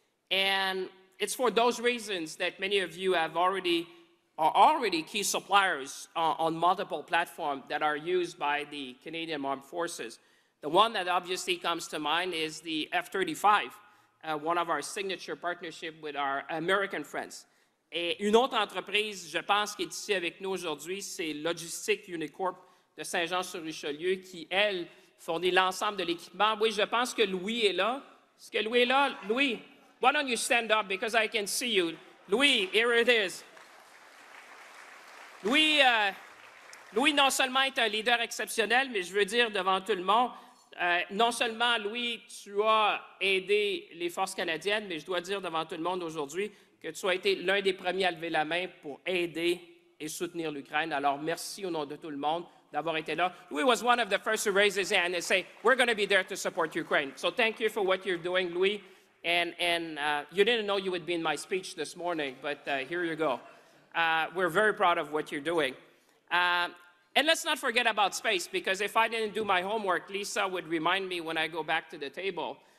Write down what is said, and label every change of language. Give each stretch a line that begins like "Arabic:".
English: And it's for those reasons that many of you have already are already key suppliers on multiple platforms that are used by the Canadian Armed Forces. The one that obviously comes to mind is the F-35. One of our signature partnerships with our American friends.
French: Et une autre entreprise, je pense, qui est ici avec nous aujourd'hui, c'est Logistique Unicorp de Saint-Jean-sur-Richelieu, qui, elle, fournit l'ensemble de l'équipement. Oui, je pense que Louis est là. Est-ce que Louis est là?
English: Louis, why don't you stand up because I can see you. Louis, here it is.
French: Louis non seulement est un leader exceptionnel, mais je veux dire devant tout le monde, non seulement, Louis, tu as aidé les forces canadiennes, mais je dois dire devant tout le monde aujourd'hui que tu as été l'un des premiers à lever la main pour aider et soutenir l'Ukraine. Alors, merci au nom de tout le monde d'avoir été là.
English: Louis was one of the first to raise his hand and say, we're going to be there to support Ukraine. So, thank you for what you're doing, Louis. And you didn't know you would be in my speech this morning, but here you go. We're very proud of what you're doing. And let's not forget about space, because if I didn't do my homework, Lisa would remind me when I go back to the table.